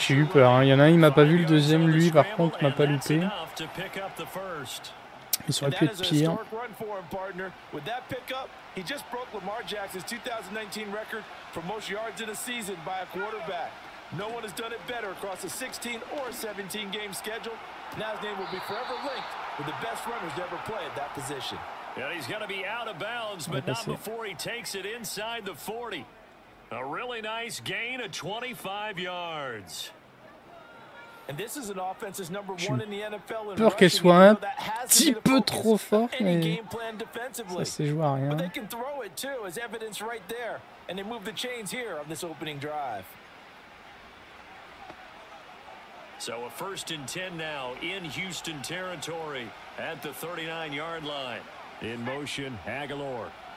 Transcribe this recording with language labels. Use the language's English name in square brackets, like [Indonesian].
[French] J'ai eu peur, hein. Il y en a un, il m'a pas vu le deuxième, lui par contre m'a pas loupé. Il aurait pu être pire. [English] With that pickup, he just broke Lamar Jackson's 2019 record for most yards in a season by a quarterback. No one has done it better across a 16 or 17 game schedule. Now his name will be forever linked with the best runners to ever play at that position. Yeah, he's going to be out of bounds, but not before he takes it inside the 40. A really nice gain of 25 yards. And this is an offense is number one in the NFL. [French] Peur qu'elle soit un petit peu trop fort, mais ça c'est joué à rien. [English] But they can throw it too, as evidence right there. And they move the chains here on this opening drive. So a first and 10 now in Houston territory at the 39-yard line. In motion, Aguilar.